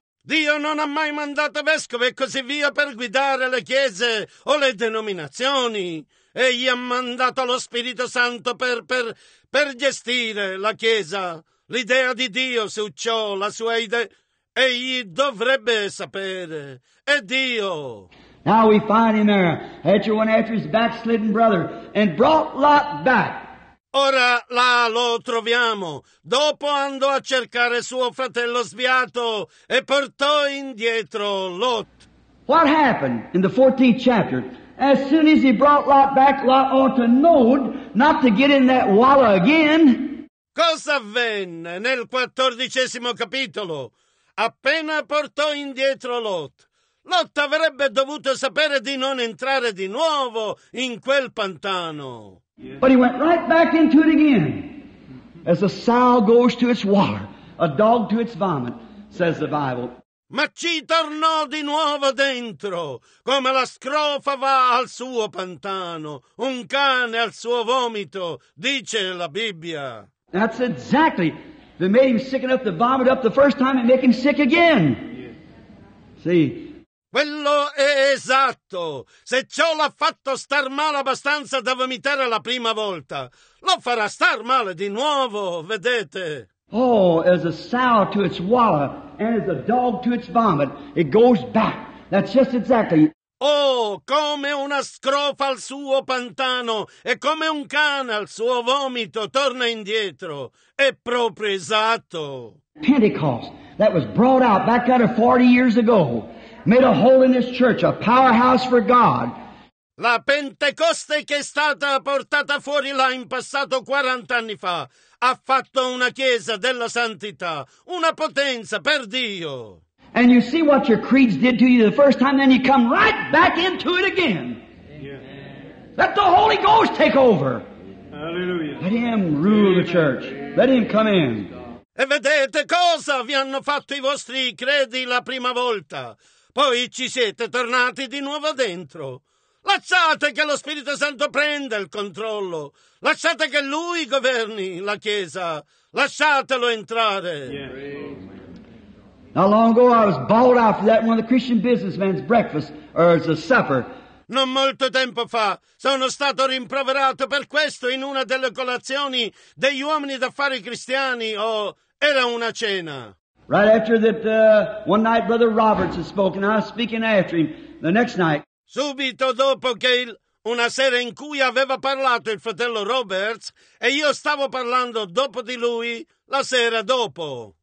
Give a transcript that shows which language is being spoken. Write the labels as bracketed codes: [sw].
[it] Dio non ha mai mandato vescovi e così via per guidare le chiese o le denominazioni. Egli ha mandato lo Spirito Santo per gestire la chiesa. L'idea di Dio su ciò, la sua idea, egli dovrebbe sapere. È Dio. [en] Now we find him there, after one after his backslidden brother, and brought Lot back. [it] Ora là lo troviamo. Dopo andò a cercare suo fratello sviato e portò indietro Lot. [en] What happened in the 14th chapter? As soon as he brought Lot back, Lot ought to know not to get in that walla again. [it] Cosa avvenne nel 14 capitolo? Appena portò indietro Lot, Lot avrebbe dovuto sapere di non entrare di nuovo in quel pantano. [en] But he went right back into it again. As a sow goes to its water, a dog to its vomit, says the Bible. [it] Ma ci tornò di nuovo dentro, come la scrofa va al suo pantano, un cane al suo vomito, dice la Bibbia. [en] That's exactly. If it made him sick enough to vomit up the first time, it make him sick again. See? [it] Quello è esatto. Se ciò l'ha fatto star male abbastanza da vomitare la prima volta, lo farà star male di nuovo, vedete? [en] Oh, as a sow to its wallow and as a dog to its vomit, it goes back. That's just exactly. [it] Oh, come una scrofa al suo pantano e come un cane al suo vomito torna indietro. È proprio esatto. [en] Pentecost, that was brought out back out of 40 years ago. Made a hole in this church, a powerhouse for God. [it] La Pentecoste che è stata portata fuori là in passato 40 anni fa ha fatto una chiesa della santità, una potenza per Dio. [en] And you see what your creeds did to you the first time, then you come right back into it again. Amen. Let the Holy Ghost take over. Hallelujah. Let him rule Amen. The church. Let him come in. [it] E vedete cosa vi hanno fatto i vostri credi la prima volta. Poi ci siete tornati di nuovo dentro. Lasciate che lo Spirito Santo prenda il controllo. Lasciate che Lui governi la Chiesa. Lasciatelo entrare. [en] Not long ago I was bawled out for that one of the Christian businessmen's breakfast, or as a supper. [it] Non molto tempo fa sono stato rimproverato per questo in una delle colazioni degli uomini d'affari cristiani, o era una cena. [en] Right after that, one night Brother Roberts had spoken, I was speaking after him the next night. [it] Subito dopo che una sera in cui aveva parlato il fratello Roberts, e io stavo parlando dopo di lui la sera dopo.